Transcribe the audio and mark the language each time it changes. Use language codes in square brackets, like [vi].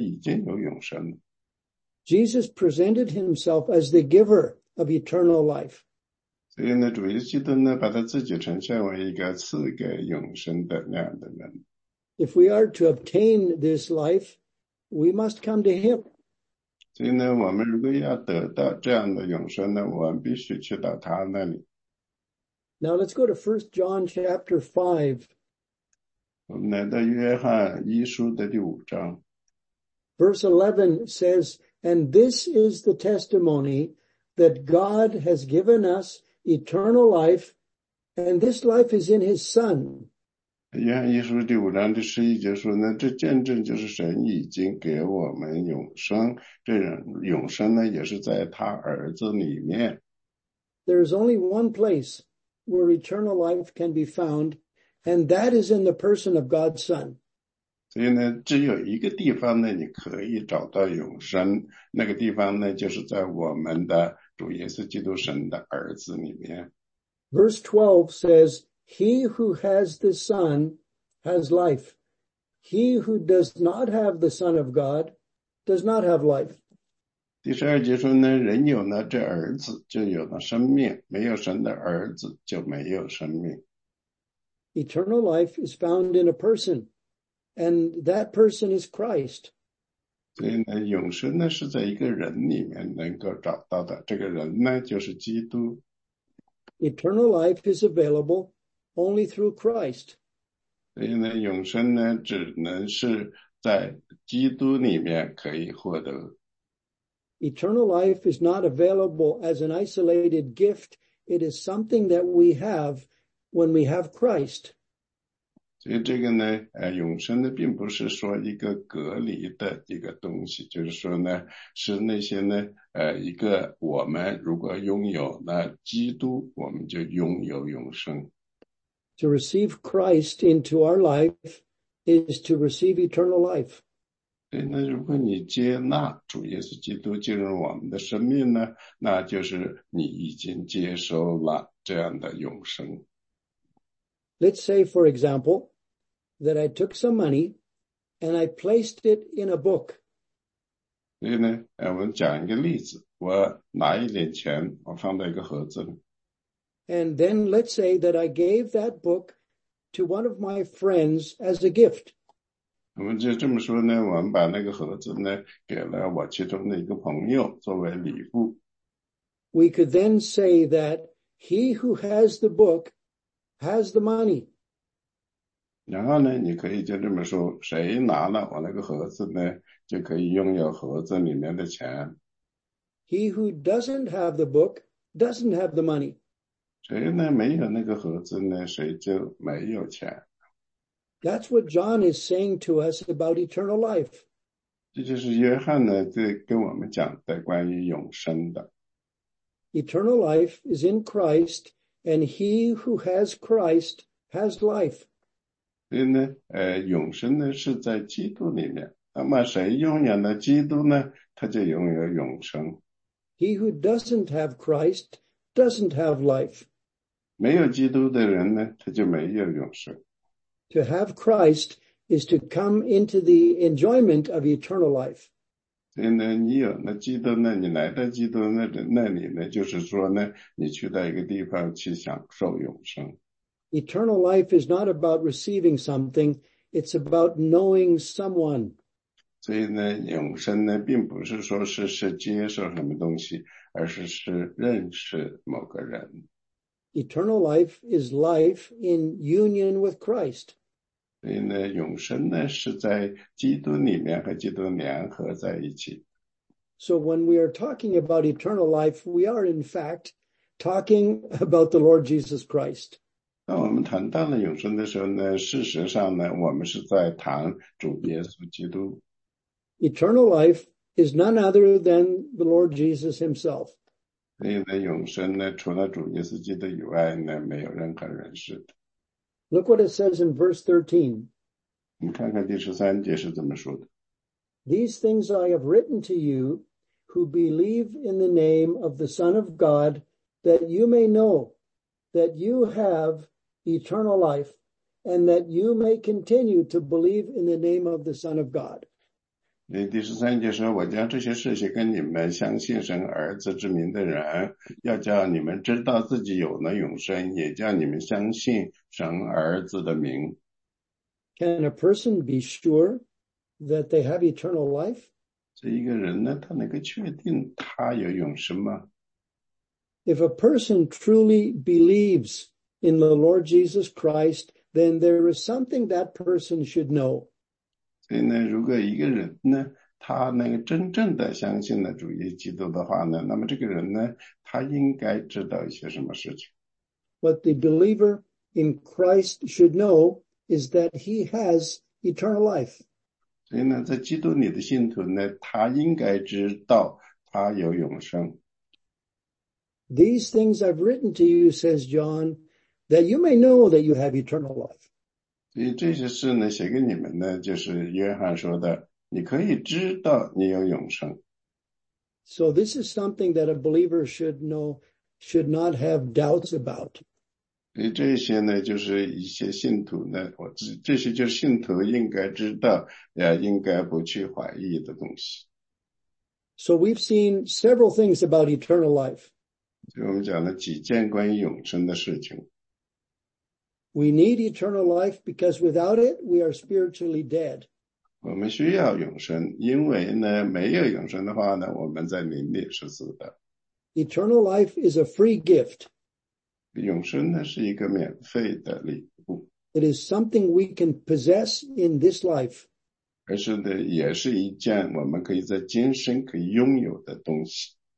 [zh] 因为我们来看看约翰福音呢,就是说,7章的第47节,就是说那些信我的人呢,他已经有永生了。Jesus [en] presented himself as the giver of eternal life. [zh] 所以呢,主耶稣基督呢,把他自己呈现为一个赐给永生的那样的人。 [en] If we are to obtain this life, we must come to him. [zh] 所以呢,我们如果要得到这样的永生呢,我们必须去到他那里。 [en] Now let's go to 1 John chapter 5. [zh] 我们来到约翰一书的第五章。 [en] Verse 11 says, and this is the testimony that God has given us eternal life, and this life is in his Son. [zh] 约翰一书第五章第十一节说呢,这见证就是神已经给我们永生,这永生呢也是在他儿子里面。 [en] there is only one place where eternal life can be found, and that is in the person of God's Son. [zh] 所以呢，只有一个地方呢，你可以找到永生。那个地方呢，就是在我们的主耶稣基督神的儿子里面。 [en] Verse 12 says, "He who has the Son has life. He who does not have the Son of God does not have life." [zh] 第十二节说呢，人有了这儿子，就有了生命；没有神的儿子，就没有生命。 [en] Eternal life is found in a person. And that person is Christ. [zh] 所以呢，永生呢是在一个人里面能够找到的。这个人呢就是基督。 [en] Eternal life is available only through Christ. [zh] 所以呢，永生呢只能是在基督里面可以获得。 [en] Eternal life is not available as an isolated gift. It is something that we have when we have Christ. [zh] 所以这个呢，永生呢，并不是说一个隔离的一个东西，就是说呢，是那些呢，一个我们如果拥有了基督，我们就拥有永生。 [en] To receive Christ into our life is to receive eternal life. [zh] 对，那如果你接纳主耶稣基督进入我们的生命呢，那就是你已经接受了这样的永生。 [en] Let's say, for example, that I took some money and I placed it in a book. [zh] 所以呢，我们讲一个例子，我拿一点钱，我放在一个盒子里。 [en] And then let's say that I gave that book to one of my friends as a gift. [zh] 我们就这么说呢，我们把那个盒子呢，给了我其中的一个朋友作为礼物。 [en] We could then say that he who has the book has the money. [zh] 然后呢，你可以就这么说，谁拿了我那个盒子呢，就可以拥有盒子里面的钱。 [en] He who doesn't have the book doesn't have the money. [zh] 谁呢，没有那个盒子呢，谁就没有钱。 [en] That's what John is saying to us about eternal life. [zh] 这就是约翰呢，在跟我们讲的关于永生的。 [en] Eternal life is in Christ. And he who has Christ has life. [zh] 所以呢，永生呢是在基督里面。那么谁拥有了基督呢，他就拥有永生。 [en] He who doesn't have Christ doesn't have life. [zh] 没有基督的人呢，他就没有永生。 [en] To have Christ is to come into the enjoyment of eternal life. [zh] 所以呢，你有那基督呢，你来到基督那那里呢，就是说呢，你去到一个地方去享受永生。 [en] Eternal life is not about receiving something; it's about knowing someone. [zh] 所以呢，永生呢，并不是说是接受什么东西，而是认识某个人。 [en] Eternal life is life in union with Christ. [zh] 所以呢，永生呢是在基督里面和基督联合在一起。 [en] So when we are talking about eternal life, we are in fact talking about the Lord Jesus Christ. [zh] 当我们谈到了永生的时候呢，事实上呢，我们是在谈主耶稣基督。 [en] Eternal life is none other than the Lord Jesus Himself. [zh] 所以呢，永生呢，除了主耶稣基督以外呢，没有任何人是的。 [en] Look what it says in verse 13. [zh] 你看看第十三节是怎么说的。 [en] These things I have written to you who believe in the name of the Son of God, that you may know that you have eternal life, and that you may continue to believe in the name of the Son of God. [zh] 第十三节说，我将这些事情跟你们相信神儿子之名的人，要叫你们知道自己有了永生，也叫你们相信神儿子的名。 [en] Can a person be sure that they have eternal life? [zh] 这一个人呢，他能够确定他有永生吗？ [en] If a person truly believes in the Lord Jesus Christ, then there is something that person should know. [zh] 所以呢，如果一个人呢，他那个真正的相信了主耶稣基督的话呢，那么这个人呢，他应该知道一些什么事情。 [en] What the believer in Christ should know is that he has eternal life. [zh] 所以呢，在基督里的信徒呢，他应该知道他有永生。 [en] These things I've written to you, says John, that you may know that you have eternal life. [zh] 这些事呢, 写给你们呢, 就是约翰说的, 你可以知道你有永生。 [en] So this is something that a believer should know, should not have doubts about. [zh] 这些呢, 就是一些信徒呢, 这些就是信徒应该知道, 应该不去怀疑的东西。 [en] So we've seen several things about eternal life. [zh] 我们讲了几件关于永生的事情。 [en] We need eternal life because without it, we are spiritually dead. [zh] 我们需要永生, 因为呢, 没有永生的话呢, 我们在灵里是死的。 [en] Eternal life is a free gift. [zh] 永生呢, 是一个免费的礼物。 [en] It is something we can possess in this life. [zh] 而是呢, 也是一件我们可以在今生可以拥有的东西。